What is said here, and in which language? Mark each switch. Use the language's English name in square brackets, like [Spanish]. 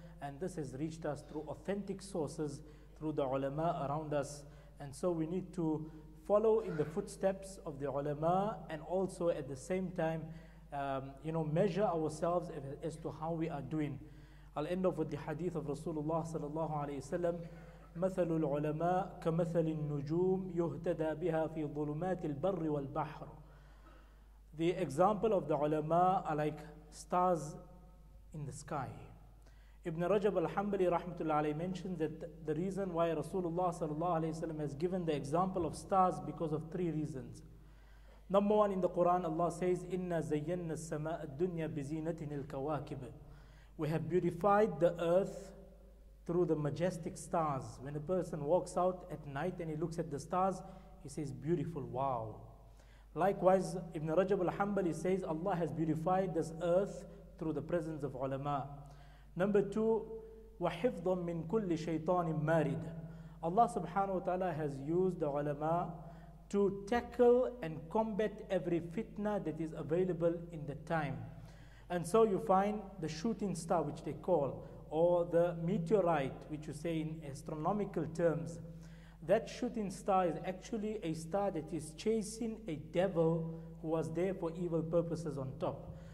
[English] And this has reached us through authentic sources, through the ulama around us. And so we need to follow in the footsteps of the ulama, and also at the same time, measure ourselves as to how we are doing. I'll end off with the hadith of Rasulullah sallallahu alayhi wa sallam. [Arabic] مثل العلماء كمثل النجوم يهتدى بها في ظلمات البر والبحر. [English] The example of the ulama are like stars in the sky. Ibn Rajab al-Hanbali rahmatullah alayhi mentioned that the reason why Rasulullah sallallahu alayhi wa sallam has given the example of stars because of three reasons. Number one, in the Quran Allah says, [Arabic] إِنَّا زَيَّنَّا السَّمَاءَ الدُّنْيَا بِزِينَةٍ الْكَوَاكِبِ. [English] We have beautified the earth through the majestic stars. When a person walks out at night and he looks at the stars, he says, beautiful, wow. Likewise, Ibn Rajab al-Hanbali says, Allah has beautified this earth through the presence of ulama. Number two, [Arabic] وَحِفْظًا مِّن كُلِّ شَيْطَانٍ مَارِدٍ. [English] Allah subhanahu wa ta'ala has used the ulama to tackle and combat every fitna that is available in the time. And so you find the shooting star, which they call, or the meteorite, which you say in astronomical terms, that shooting star is actually a star that is chasing a devil who was there for evil purposes on top.